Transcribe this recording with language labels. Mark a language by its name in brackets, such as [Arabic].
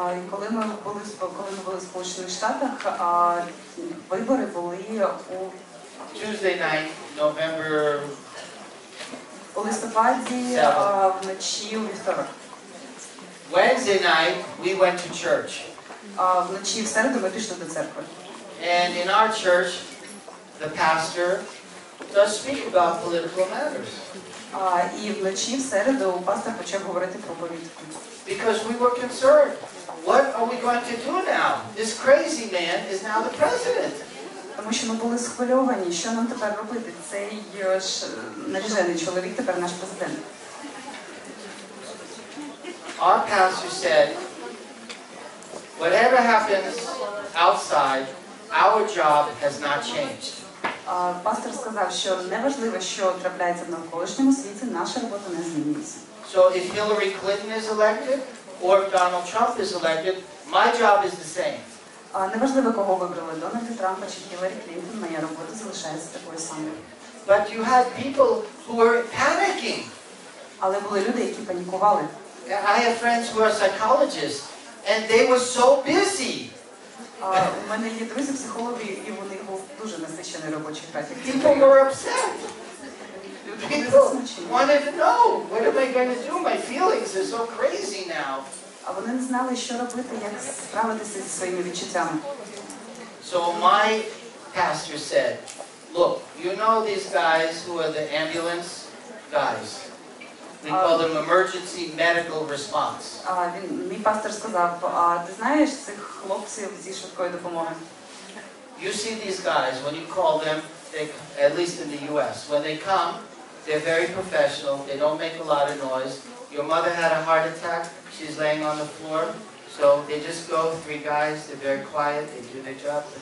[Ukrainian] Коли ми були в Сполучених Штатах, вибори були у [English] Tuesday night, November [Ukrainian] у листопаді, вночі у вівторок. [English] Wednesday night we went to church. [Ukrainian] Вночі в середу ми пішли до церкви. [English] And in our church the pastor does speak about political matters. [Ukrainian] І вночі в середу пастор почав говорити про політику. [English] Because we were concerned. What are we going to do now? This crazy man is now the president. [Ukrainian] Тому що ми були схвильовані, що нам тепер робити? Цей ж наряжений чоловік тепер наш президент. [English] Our pastor said, whatever happens outside, our job has not changed. [Ukrainian] Пастор сказав, що неважливо, що трапляється в навколишньому світі, наша робота не змінюється. [English] So if Hillary Clinton is elected, or if Donald Trump is elected, my job is the same. [Ukrainian] Неважливо, кого вибрали, Дональда Трампа чи Хіларі Клінтон, моя робота залишається такою самою. [English] But you had people who were panicking. [Ukrainian] Але були люди, які панікували. [English] I have friends who are psychologists, and they were so busy. [Ukrainian] У мене є друзі-психологи, і вони були дуже насичені робочий графік. [English] People were upset. People wanted to know, what am I going to do? My feelings are so crazy now. [Ukrainian] А вони не знали, що робити, як справитися зі своїми відчуттями. [English] So my pastor said, look, you know these guys who are the ambulance guys? We call them emergency medical response. [Ukrainian] Мій пастор сказав, а ти знаєш цих хлопців зі швидкої допомоги? [English] You see these guys, when you call them, at least in the US, when they come, they're very professional, they don't make a lot of noise. Your mother had a heart attack, she's laying on the floor. So they just go, three guys, they're very quiet, they do their job.